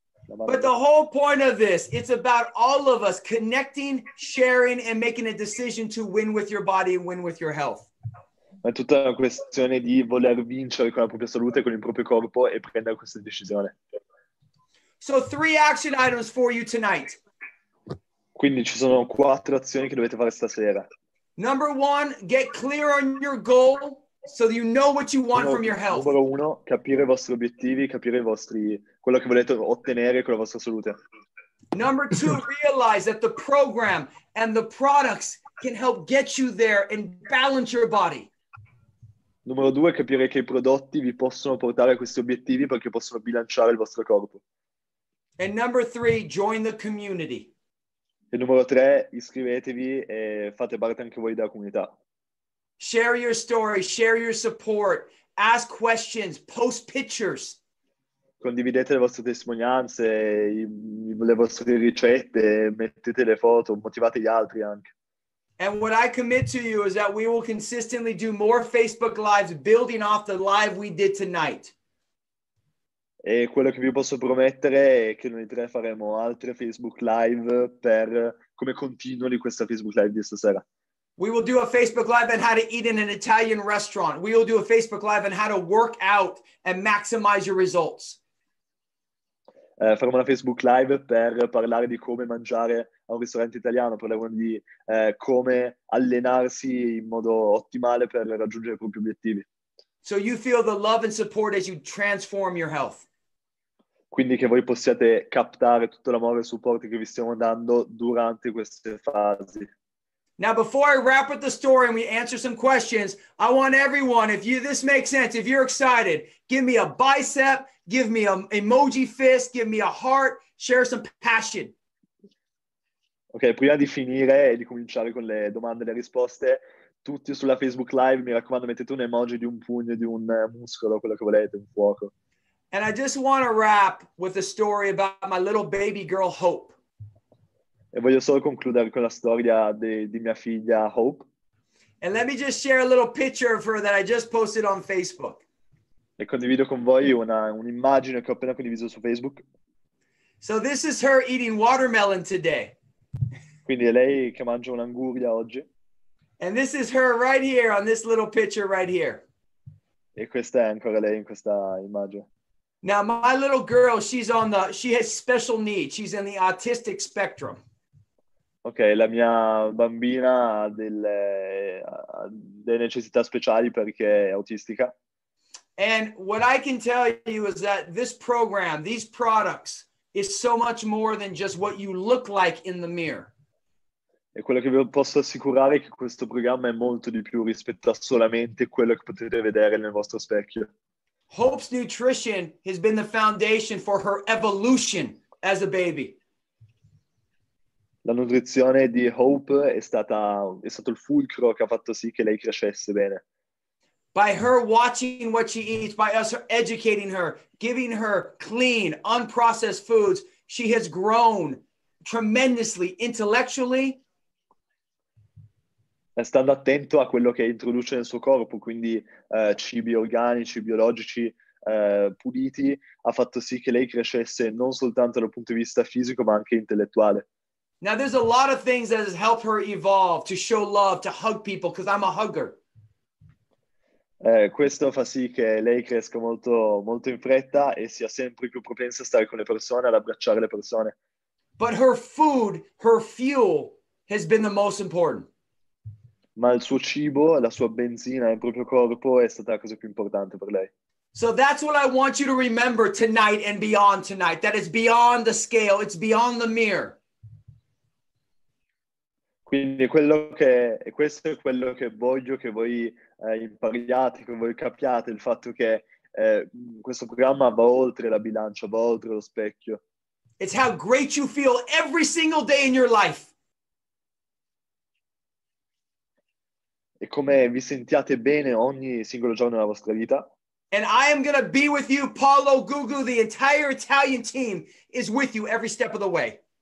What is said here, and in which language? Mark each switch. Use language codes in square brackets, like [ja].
[en] But the whole point of this, it's about all of us connecting, sharing, and making a decision to win with your body and win with your health. [it] È tutta una questione di voler vincere con la propria salute, con il proprio corpo e prendere questa decisione. [en] So 3 action items for you tonight. [it] Quindi ci sono 4 azioni che dovete fare stasera. [en] Number 1, get clear on your goal so you know what you want from your health. [it] Numero 1, capire i vostri obiettivi, capire i vostri quello che volete ottenere con la vostra salute. [en] Number 2, realize that the program and the products can help get you there and balance your body. [it] Numero 2, capire che i prodotti vi possono portare a questi obiettivi perché possono bilanciare il vostro corpo. [en] And number 3, join the community. [it] E numero 3, iscrivetevi e fate parte anche voi della comunità. [en] Share your story, share your support, ask questions, post pictures. [it] Condividete le vostre testimonianze, le vostre ricette, mettete le foto, motivate gli altri anche. [en] And what I commit to you is that we will consistently do more Facebook Lives building off the live we did tonight. [it] E quello che vi posso promettere è che noi 3 faremo altre Facebook Live per come continuo di questa Facebook Live di stasera. [en] We will do a Facebook Live on how to eat in an Italian restaurant. We will do a Facebook Live on how to work out and maximize your results. [it] Faremo una Facebook Live per parlare di come mangiare a un ristorante italiano, parleremo di come allenarsi in modo ottimale per raggiungere i propri obiettivi. [en] So you feel the love and support as you transform your health. [it] Quindi che voi possiate captare tutto l'amore e il supporto che vi stiamo dando durante queste fasi. [en] Now before I wrap up the story and we answer some questions, I want everyone, if you this makes sense, if you're excited, give me a bicep, give me an emoji fist, give me a heart, share some passion. [it] Ok, prima di finire e di cominciare con le domande e le risposte, tutti sulla Facebook Live, mi raccomando, mettete un emoji di un pugno, di un muscolo, quello che volete, un fuoco. [en] And I just want to wrap with a story about my little baby girl Hope. [it] E voglio solo concludere con la storia di mia figlia Hope. [en] And let me just share a little picture of her that I just posted on Facebook. [it] E condivido con voi un'immagine che ho appena condiviso su Facebook. [en] So this is her eating watermelon today. [it] Quindi è lei che mangia un'anguria oggi. [en] And this is her right here on this little picture right here. [it] E questa è ancora lei in questa immagine. [en] Now my little girl, she has special needs. She's in the autistic spectrum. [it] Ok, la mia bambina ha delle necessità speciali perché è autistica. [en] And what I can tell you is that this program, these products, is so much more than just what you look like in the mirror. [it] E quello che vi posso assicurare è che questo programma è molto di più rispetto a solamente quello che potete vedere nel vostro specchio. [en] Hope's nutrition has been the foundation for her evolution as a baby. [it] La nutrizione di Hope è stato il fulcro che ha fatto sì che lei crescesse bene. [en] By her watching what she eats, by us educating her, giving her clean, unprocessed foods, she has grown tremendously intellectually. [it] E stando attento a quello che introduce nel suo corpo, quindi cibi organici, biologici, puliti, ha fatto sì che lei crescesse non soltanto dal punto di vista fisico, ma anche intellettuale. [en] Now there's a lot of things that has helped her evolve, to show love, to hug people, because I'm a hugger. [it] Questo fa sì che lei cresca molto, molto in fretta e sia sempre più propensa a stare con le persone, ad abbracciare le persone. [en] But her food, her fuel, has been the most important. [it] Ma il suo cibo, la sua benzina, il proprio corpo è stata la cosa più importante per lei. [en] So that's what I want you to remember tonight and beyond tonight. That is beyond the scale, it's beyond the mirror. [it] Quindi questo è quello che voglio che voi impariate, che voi capiate, il fatto che questo programma va oltre la bilancia, va oltre lo specchio. [en] It's how great you feel every single day in your life. [it] E come vi sentiate bene ogni singolo giorno della vostra vita. [en] And I am going to be with you, Paolo Gugu, the entire Italian team is with you every step of the way.